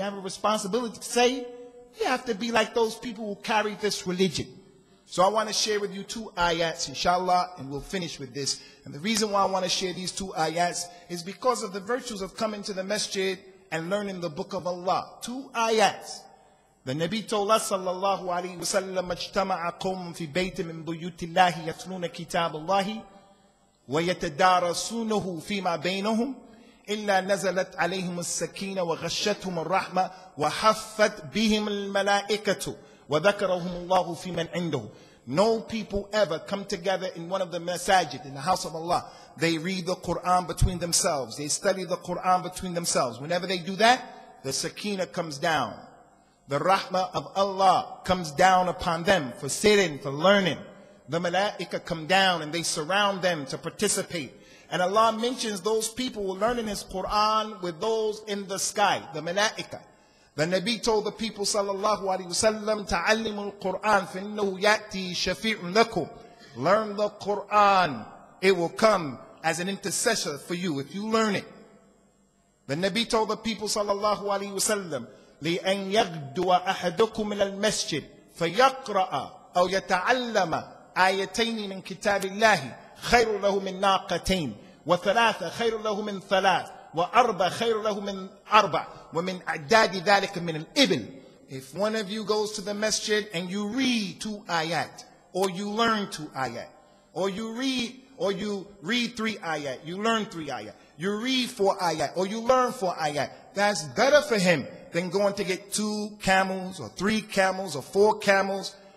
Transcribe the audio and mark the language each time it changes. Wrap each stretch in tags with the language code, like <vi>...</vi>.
<en>We have a responsibility to say, you have to be like those people who carry this religion. So I want to share with you two ayats, inshallah, and we'll finish with this. And the reason why I want to share these two ayats is because of the virtues of coming to the masjid and learning the book of Allah. Two ayats. The Nabi told us,</en> <ar>sallallahu alayhi wa sallam, اجتمع قوم في بيت من بيوت الله يتلون كتاب الله ويتدارسونه فيما بينهم إلا نزلت عليهم السكينة وغشتهم الرحمة وحفت بهم الملائكة وذكرهم الله في من عنده.</ar> <en>No people ever come together in one of the masajid, in the house of Allah. They read the Quran between themselves. They study the Quran between themselves. Whenever they do that, the sakina comes down. The rahmah of Allah comes down upon them for sitting, for learning. The malaika come down and they surround them to participate. And Allah mentions those people who are learning His Quran with those in the sky, the malaika. The Nabi told the people, sallallahu alayhi wa sallam,</en> <ar>ta'allimu al-Quran, fa'innahu ya'ti shafi'un lakum.</ar> <en>Learn the Quran. It will come as an intercessor for you if you learn it. The Nabi told the people,</en> <ar>sallallahu alayhi wa sallam, لِأَنْ يَغْدُوَ أَحَدُكُمْ مِنَ الْمَسْجِدِ فَيَقْرَأَ أَوْ يَتَعَلَّمَ آيَتَيْنِ مِنْ كِتَابِ اللَّهِ خَيْرُ لَهُ مِنْ نَاقَتَيْنِ وَثَلَاثَ خَيْرُ لَهُ مِنْ ثَلَاثَ وَأَرْبَ خَيْرُ لَهُ مِنْ أَرْبَ وَمِنْ أَعْدَادِ ذَلِكَ مِنَ الْإِبْلِ.</ar> <en>If one of you goes to the masjid and you read two ayat, or you learn two ayat, or you read three ayat, you learn three ayat, you read four ayat, or you learn four ayat, that's better for him than going to get two camels, or three camels, or four camels.</en>